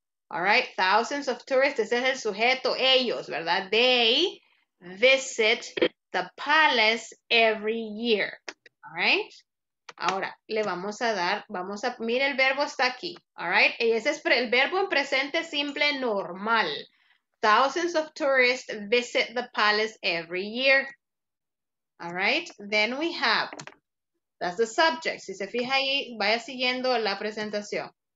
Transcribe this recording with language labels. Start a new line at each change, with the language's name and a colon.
English: All right, thousands of tourists,
Spanish: ese es el sujeto, ellos, ¿verdad?
English: They visit the palace every year.
Spanish: All right, ahora le vamos a dar, vamos a, mire, el verbo está aquí. All right, y ese es el verbo en presente simple normal.
English: Thousands of tourists visit the palace every year. All right, then we have, that's the subject.
Spanish: Si se fija ahí, vaya siguiendo la presentación.